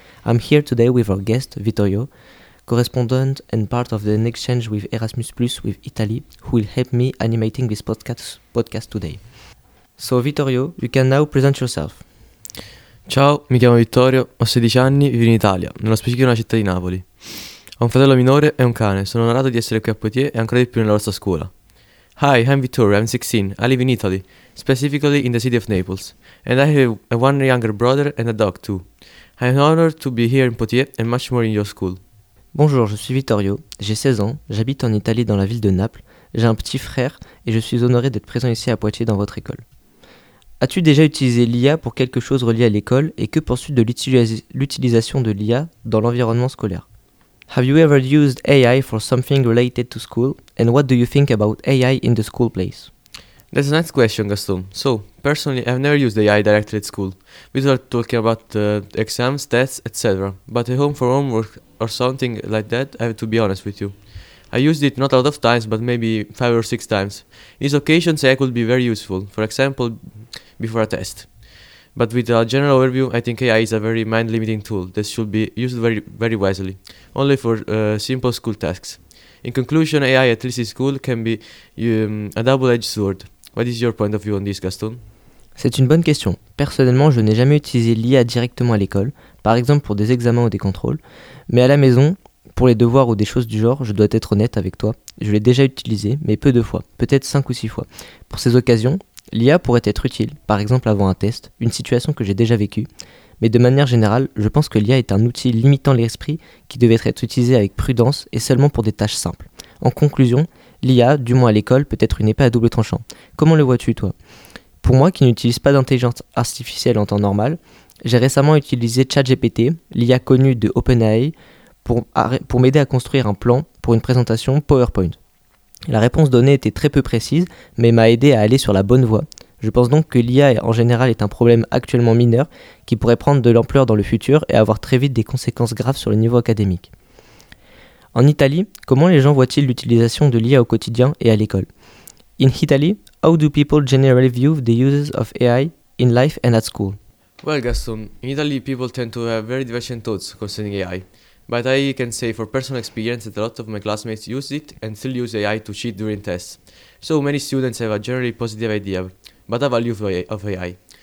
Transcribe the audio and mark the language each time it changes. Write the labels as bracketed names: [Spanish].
[English] I'm here today with our guest Vittorio, correspondent and part of the exchange with Erasmus+ with Italy, who will help me animating this podcast today. So Vittorio, you can now present yourself. [Italian] Ciao, mi chiamo Vittorio, ho 16 anni, vivo in Italia, nello specifico nella città di Napoli. Ho un fratello minore e un cane, sono onorato di essere qui a Poitiers e ancora di più nella vostra scuola. [English] Hi, I'm Vittorio, I'm 16, I live in Italy, specifically in the city of Naples, and I have a one younger brother and a dog too. I'm honored to be here in Poitiers and much more in your school. [French] Bonjour, je suis Vittorio, j'ai 16 ans, j'habite en Italie dans la ville de Naples, j'ai un petit frère et je suis honoré d'être présent ici à Poitiers dans votre école. As-tu déjà utilisé l'IA pour quelque chose relié à l'école et que penses-tu de l'utilisation de l'IA dans l'environnement scolaire? [English] Have you ever used AI for something related to school and what do you think about AI in the school place? That's a nice question, Gaston. So, personally, I've never used AI directly at school. We start talking about exams, tests, etc. But at home for homework or something like that, I have to be honest with you. I used it not a lot of times, but maybe 5 or 6 times. In these occasions, AI could be very useful, for example, before a test. But with a general overview, I think AI is a very mind-limiting tool that should be used very, very wisely, only for simple school tasks. In conclusion, AI, at least in school, can be a double-edged sword. What is your point of view on this, Gaston? [French] C'est une bonne question. Personnellement, je n'ai jamais utilisé l'IA directement à l'école, par exemple pour des examens ou des contrôles. Mais à la maison, pour les devoirs ou des choses du genre, je dois être honnête avec toi, je l'ai déjà utilisé, mais peu de fois, peut-être 5 ou 6 fois. Pour ces occasions, l'IA pourrait être utile, par exemple avant un test, une situation que j'ai déjà vécue. Mais de manière générale, je pense que l'IA est un outil limitant l'esprit qui devait être utilisé avec prudence et seulement pour des tâches simples. En conclusion, l'IA, du moins à l'école, peut être une épée à double tranchant. Comment le vois-tu, toi? Pour moi, qui n'utilise pas d'intelligence artificielle en temps normal, j'ai récemment utilisé ChatGPT, l'IA connue de OpenAI, pour m'aider à construire un plan pour une présentation PowerPoint. La réponse donnée était très peu précise, mais m'a aidé à aller sur la bonne voie. Je pense donc que l'IA en général est un problème actuellement mineur qui pourrait prendre de l'ampleur dans le futur et avoir très vite des conséquences graves sur le niveau académique. En Italie, comment les gens voient-ils l'utilisation de l'IA au quotidien et à l'école? [English] In Italy, how do people generally view the uses of AI in life and at school? Well, Gaston, in Italy people tend to have very divergent thoughts concerning AI. But I can say for personal experience that a lot of my classmates use it and still use AI to cheat during tests. So many students have a generally positive idea but a value of AI.